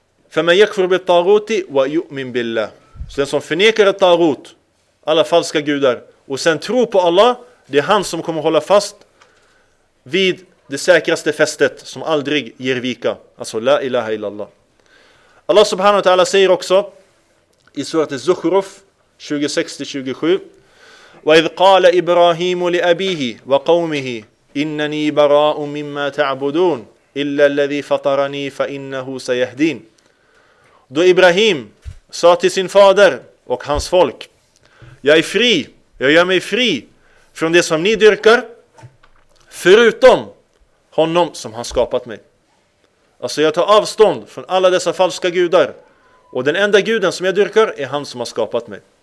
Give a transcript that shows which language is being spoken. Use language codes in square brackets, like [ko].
[ar] فَمَنْ يَكْفُرُ بِالطَّاغُوتِ وَيُؤْمِنْ بِاللَّهِ. [sv] Så den som förnekar ett tagut, alla falska gudar, och sen tror på Allah, det är han som kommer hålla fast vid det säkraste fästet som aldrig ger vika. Alltså, la ilaha illallah. Allah subhanahu wa ta'ala säger också i surat Zukhruf 26-27: [ar] وَإِذْ قَالَ إِبْرَاهِيمُ لِأَبِيهِ وَقَوْمِهِ إِنَّنِي بَرَاءٌ مِمَّا تَعْبُدُونَ إِلَّا الَّذِي فَطَرَنِي فَإِنَّهُ سَيَهْدِينَ. [sv] Då Ibrahim sa till sin fader och hans folk: jag är fri, jag gör mig fri från det som ni dyrkar förutom honom som har skapat mig. Alltså, jag tar avstånd från alla dessa falska gudar, och den enda guden som jag dyrkar är han som har skapat mig.